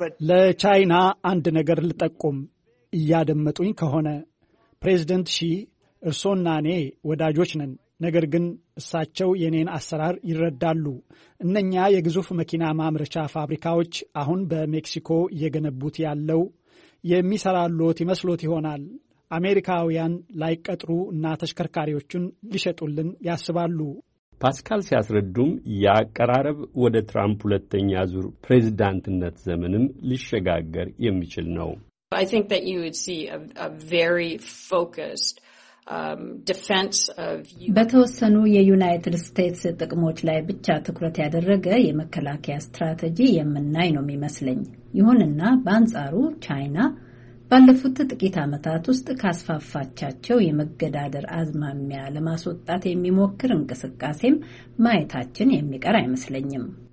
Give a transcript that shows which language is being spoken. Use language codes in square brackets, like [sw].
[am] ለቻይና አንድ ነገር ልጠቁም፣ እያደመጡኝ ከሆነ ፕሬዚደንት ሺ እርሶና እኔ ወዳጆች ነን፣ ነገር ግን እሳቸው የኔን አሰራር ይረዳሉ። እነኛ የግዙፍ መኪና ማምረቻ ፋብሪካዎች አሁን በሜክሲኮ እየገነቡት ያለው የሚሰራሉት ይመስሎት ይሆናል። አሜሪካውያን ላይቀጥሩ እና ተሽከርካሪዎቹን ሊሸጡልን ያስባሉ። ፓስካል ሲያስረዱም ያቀራረብ ወደ ትራምፕ ሁለተኛ ዙር ፕሬዝዳንትነት ዘመንም ሊሸጋገር የሚችል ነው። [en] I think that you would see a very focused defense of [am] በተወሰኑ የዩናይትድ ስቴትስ ጥቅሞች ላይ ብቻ ትኩረት ያደረገ የመከላከያ ስትራቴጂ የምናይ ነው የሚመስለኝ። ይሁንና በአንጻሩ ቻይና ባለፉት ጥቂት አመታት ውስጥ ካስፋፋቻቸው የመገዳደር አዝማሚያ ለማስወጣት የሚሞክር እንቅስቃሴም ማየታችን የሚቀር አይመስለኝም።